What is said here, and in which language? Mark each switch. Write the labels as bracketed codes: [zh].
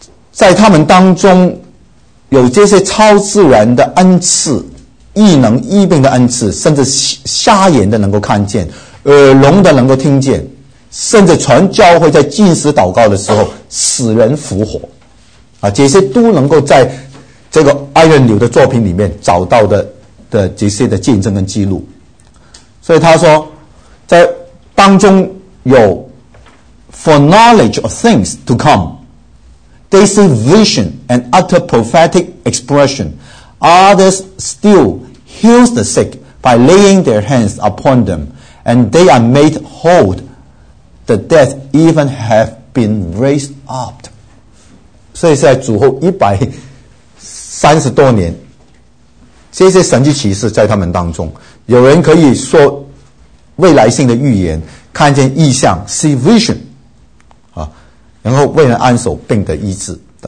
[zh] 在他们当中有这些超自然的恩赐、异能、异病的恩赐，甚至瞎眼的能够看见，耳聋的能够听见，甚至传教会在禁食祷告的时候，死人复活，啊，这些都能够在艾伦纽的作品里面找到的这些的见证跟记录。所以他说在当中有 [en] for knowledge of things to come, they see vision and utter prophetic expression, others still heals the sick by laying their hands upon them, and they are made whole, the dead even have been raised up. [zh] 所以在主后130多年，这些神迹奇事在他们当中，有人可以说未来性的预言，看见异象 [en] see vision、 [zh] 啊、然后为人安守病的医治。